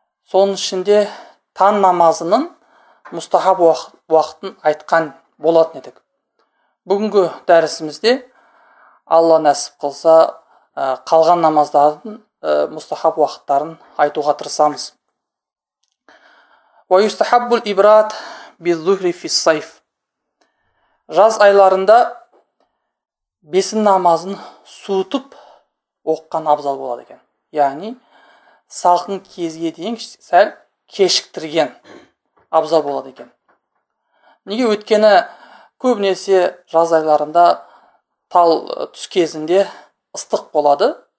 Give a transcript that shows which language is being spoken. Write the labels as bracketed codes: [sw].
[kk] Соның ішінде таң намазының мұстахаб уақытын айтқан болатын едік. Бүгінгі дәрісімізде Алла нәсіп қылса қалған намаздардың мұстахаб уақыттарын айтуға тырысамыз. [ar] Уайустахаббул ибрат биззухри фиссайф. [kk] Жаз айларында бесін намазын суытып оққан абзал болады екен. Яғни салқын кезге дейін сәл кешіктірген абзал болады екен. Неге? Өткені көбінесе жаз айларында тал түс кезінде ыстық болады.